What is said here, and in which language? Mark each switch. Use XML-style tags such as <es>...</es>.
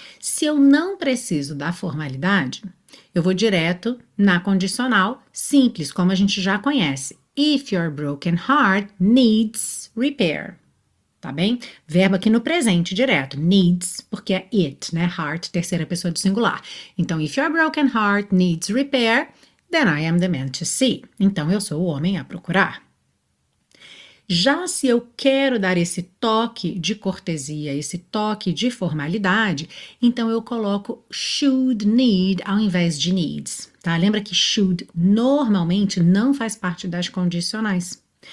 <pt>Se eu não preciso da formalidade, eu vou direto na condicional simples, como a gente já conhece.</pt> <en>If your broken heart needs repair.</en> <pt>Tá bem? Verbo aqui no presente, direto. Needs, porque é it, né? Heart, terceira pessoa do singular.</pt> <en>Então, if your broken heart needs repair, then I am the man to see.</en> <pt>Então, eu sou o homem a procurar. Já se eu quero dar esse toque de cortesia, esse toque de formalidade, então eu coloco should need ao invés de needs, tá? Lembra que should normalmente não faz parte das condicionais.</pt>